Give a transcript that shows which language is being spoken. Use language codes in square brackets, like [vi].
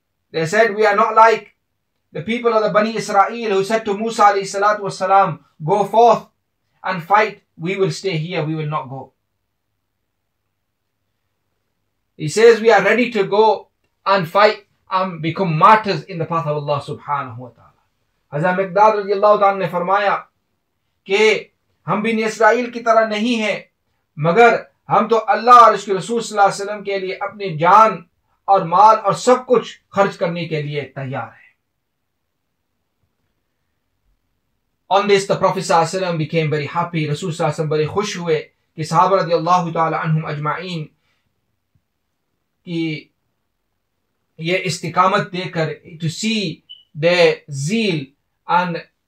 [en] They said, we are not like the people of the Bani Israel who said to Musa alayhi salatu wasalam, go forth and fight. We will stay here. We will not go. He says, we are ready to go and fight and become martyrs in the path of Allah subhanahu wa ta'ala. [ur] Hazrat Miqdad radiallahu ta'ala ne farmaya ke hum bin Israel ki tarah nahi hain, magar ہم تو اللہ اور اس کے رسول صلی اللہ علیہ وسلم کے لیے اپنی جان اور مال اور سب کچھ خرچ کرنے کے لیے تیار ہیں. [en] On this the Prophet صلی اللہ علیہ وسلم became very happy. [ur] رسول صلی اللہ علیہ وسلم بڑے خوش ہوئے کہ صحابہ رضی اللہ تعالی عنہم اجمعین کی یہ استقامت دے کر, [en] to see their zeal and